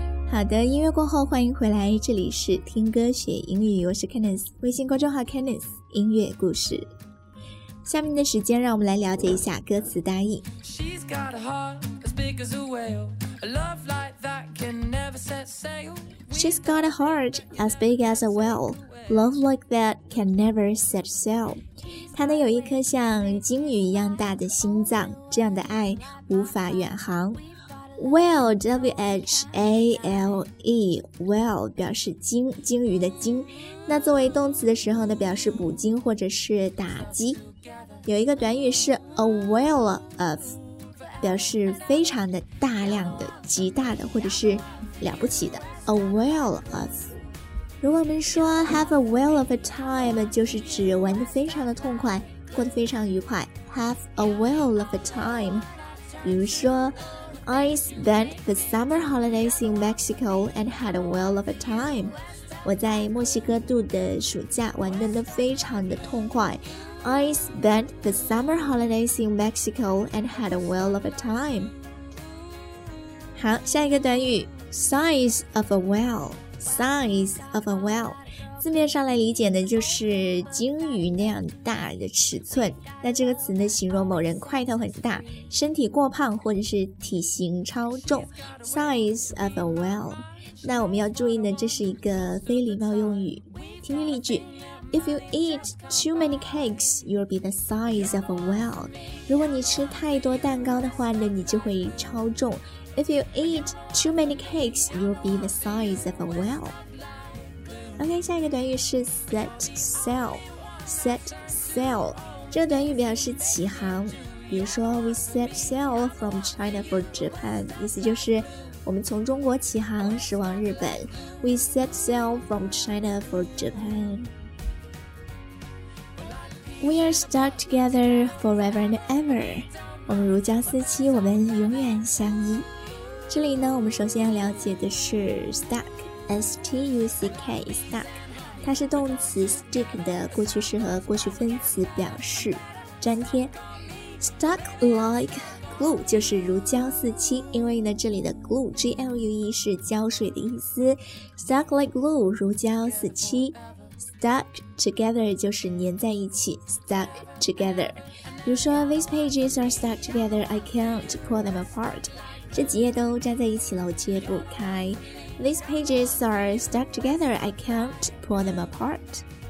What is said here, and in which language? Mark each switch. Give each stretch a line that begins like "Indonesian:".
Chinese: 好的，音乐过后欢迎回来，这里是听歌学英语，我是 Candace，微信公众号 Candace 音乐故事。下面的时间让我们来了解一下歌词大意。
English: She's got a heart as big as a whale, a love like that can never set sail. She's got a heart as big as a whale, love like that can never set sail.
Chinese: 她呢有一颗像鲸鱼一样大的心脏，这样的爱无法远航。 Whale, W-H-A-L-E, whale 表示鲸，鲸鱼的鲸。那作为动词的时候呢，表示捕鲸或者是打击。有一个短语是 a whale of, 表示非常的、大量的、极大的或者是了不起的。A whale of, 如果我们说 have a whale of a time 就是指玩得非常的痛快，过得非常愉快。
English: have a whale of a time
Chinese: 比如说
English: I spent the summer holidays in Mexico and had a whale of a time，
Chinese: 我在墨西哥度的暑假玩得都非常的痛快。
English: I spent the summer holidays in Mexico and had a whale of a time.
Chinese: 好，下一个短语 size of a whale.
English: Size of a whale.
Chinese: 字面上来理解呢，就是鲸鱼那样大的尺寸。那这个词呢，形容某人块头很大，身体过胖，或者是体型超重。
English: Size of a whale.
Chinese: 那我们要注意呢，这是一个非礼貌用语。听听例句。
English: If you eat too many cakes, you'll be the size of a whale.
Chinese: 如果你吃太多蛋糕的话呢，你就会超重。
English: If you eat too many cakes, you'll be the size of a whale.
Chinese: OK, 下一个短语是 set sail. Set sail. 这个短语表示起航。比如说
English: we set sail from China for Japan.
Chinese: 意思就是我们从中国起航驶往日本。
English: We set sail from China for Japan. We are stuck together forever and ever.
Chinese: 我们如胶似漆，我们永远相依。这里呢，我们首先要了解的是 stuck, S-T-U-C-K, stuck. 它是动词 stick 的过去式和过去分词，表示粘贴。 Stuck like glue 就是如胶似漆，因为呢，这里的 glue, G-L-U-E 是胶水的意思。 Stuck like glue, 如胶似漆。
English: Stuck together
Chinese: 就是粘在一起
English: Stuck together
Chinese: 比如说
English: These pages are stuck together I can't pull them apart
Chinese: 这几页都粘在一起了我揭不开
English: These pages are stuck together I can't pull them apart